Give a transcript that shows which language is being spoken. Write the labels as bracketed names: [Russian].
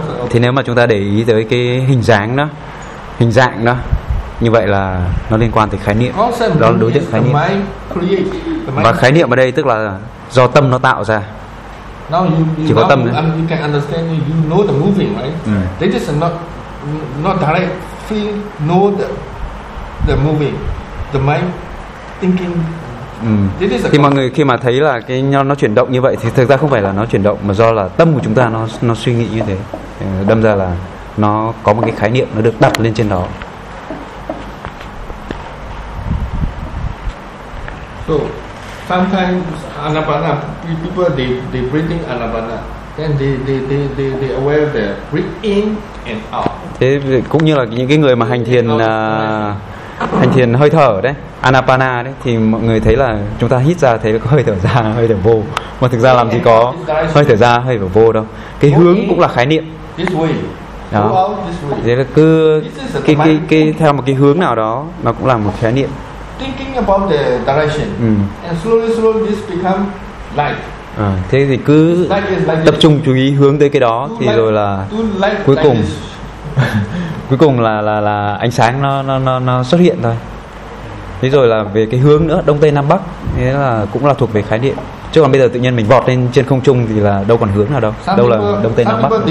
[Vietnamese] Thì nếu mà chúng ta để ý tới cái hình dáng đó, hình dạng đó, như vậy là nó liên quan tới khái niệm, đó là đối tượng khái niệm. Và khái niệm ở đây tức là do tâm nó tạo ra. Chỉ có tâm [English] you can understand, you know the moving, right? This is not directly know the moving, the mind thinking. [Vietnamese] Thì mọi người khi mà thấy là cái nó chuyển động như vậy thì thực ra không phải là nó chuyển động, mà do là tâm của chúng ta nó suy nghĩ như thế, đâm ra là nó có một cái khái niệm nó được đặt lên trên đó. [English] So sometimes anapana, people they breathing anapana, then they aware they breathe in and out. [Vietnamese] Thế cũng như là những cái người mà hành thiền hơi thở đấy, anapana đấy, thì mọi người thấy là chúng ta hít ra thấy có hơi thở ra, hơi thở vô, mà thực ra làm gì có hơi thở ra, hơi thở vô đâu. Cái hướng cũng là khái niệm. [English] This way. [Vietnamese] Đó. [English] This way. [Vietnamese] Thế là cứ cái theo một cái hướng nào đó nó cũng là một khái niệm. [English] thinking about the direction and slowly slowly this become light. [Vietnamese] À, thế thì cứ tập trung chú ý hướng tới cái đó thì rồi là cuối cùng cuối cùng là ánh sáng nó xuất hiện thôi. Thế rồi là về cái hướng nữa, đông tây nam bắc, thế là cũng là thuộc về khái niệm. Chứ còn bây giờ tự nhiên mình vọt lên trên không trung thì là đâu còn hướng nào đâu, đâu là đông tây nam bắc.